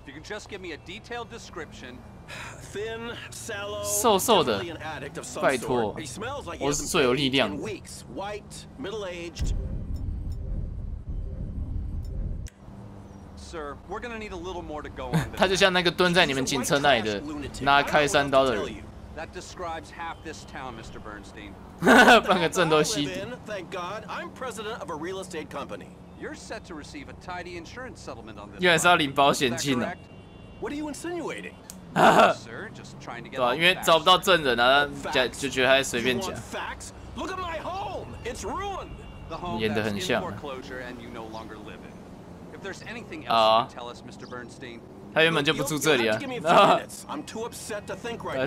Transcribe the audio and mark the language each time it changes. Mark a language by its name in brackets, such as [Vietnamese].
[English] If you can just give me a detailed description, thin, sallow, definitely an addict of some sort. He smells like he's been in jail for weeks. White, middle-aged. Sir, we're gonna need a little more to go on. [Chinese] 他就像那个蹲在你们警车那里的拿开山刀的人。 [English] That describes half this town, Mr. Bernstein. [Chinese] 半个镇都吸毒。 [English] Thank God, I'm president of a real estate company. You're set to receive a tidy insurance settlement on this. [Chinese] 原来是要领保险金呢。 [English] What are you insinuating? Sir, just trying to get. [Chinese] 对啊，因为找不到证人啊，讲就觉得他在随便讲。 [English] Facts. Look at my home. It's ruined. The home that's been in foreclosure and you no longer live in. If there's anything else you can tell us, Mr. Bernstein. [Chinese] 他原本就不住这里啊。 [English] I'm too upset to think right now.